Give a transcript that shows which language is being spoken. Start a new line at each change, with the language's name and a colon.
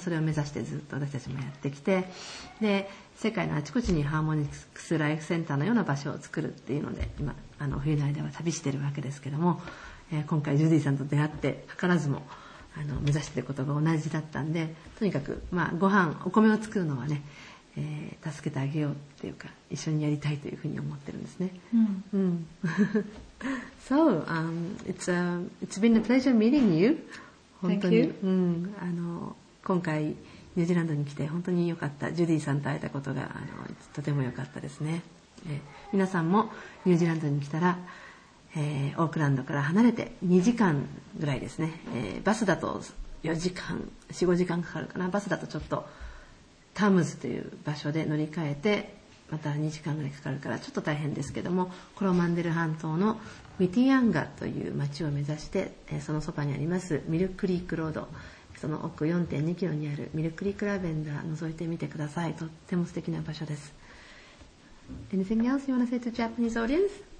Japanese: それを目指してずっと私たちもやってきて、で世界のあちこちにハーモニクスライフセンターのような場所を作るっていうので、今あの冬の間は旅してるわけですけども、今回ジュディさんと出会って図らずもあの目指していることが同じだったんで、とにかく、まあ、ご飯お米を作るのはね、助けてあげようっていうか、一緒にやりたいというふうに思ってるんですね。
English: So, it's been a pleasure meeting you.
Japanese: 本当に、
English: Thank you.
Japanese: うん、あの今回ニュージーランドに来て本当に良かった。ジュディさんと会えたことがあのとても良かったですね。皆さんもニュージーランドに来たら、オークランドから離れて2時間ぐらいですね、バスだと4時間 4,5 時間かかるかな。バスだとちょっとタームズという場所で乗り換えてまた2時間ぐらいかかるからちょっと大変ですけども、コロマンデル半島のミティアンガという町を目指して、そのそばにありますミルクリークロード、その奥 4.2 キロにあるミルクリークラベンダー覗いてみてください。とっても素敵な場所です。
English: Anything else you want to say to Japanese audience?